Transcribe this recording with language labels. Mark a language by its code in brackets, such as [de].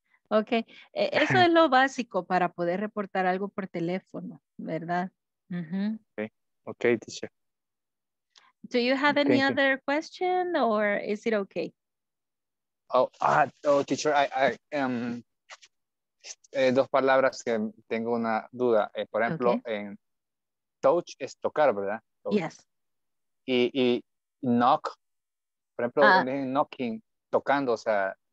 [es] Okay, eso es lo básico para poder reportar algo por teléfono, ¿verdad? [en] Uh-huh. Okay, teacher. Do you have any other question or is it okay? [es] Oh, teacher, I dos palabras que tengo una duda. Por ejemplo, okay, en touch es tocar, ¿verdad? [en] Touch. Yes. [es] Y knock, por ejemplo, knocking, tocando, o sea,